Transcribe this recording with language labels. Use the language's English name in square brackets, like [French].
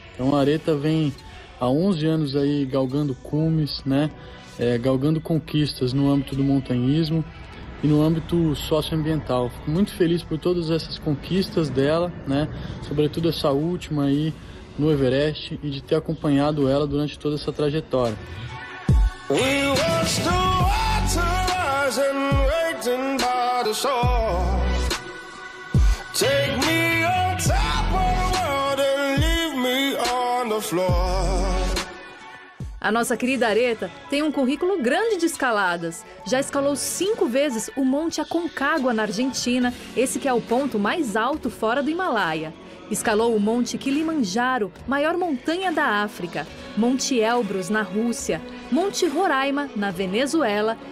[Portuguese] Então a Aretha vem há 11 anos aí galgando cumes, né? Galgando conquistas no âmbito do montanhismo e no âmbito socioambiental. Fico muito feliz por todas essas conquistas dela, né? Sobretudo essa última aí no Everest e de ter acompanhado ela durante toda essa trajetória. [English] We watch the water rising, waiting by the shore. Take me on top of the world and leave me on the floor. [Portuguese] A nossa querida Aretha tem um currículo grande de escaladas. Já escalou 5 vezes o Monte Aconcagua na Argentina, esse que é o ponto mais alto fora do Himalaia. Escalou o Monte Kilimanjaro, maior montanha da África. Monte Elbrus, na Rússia. Monte Roraima, na Venezuela.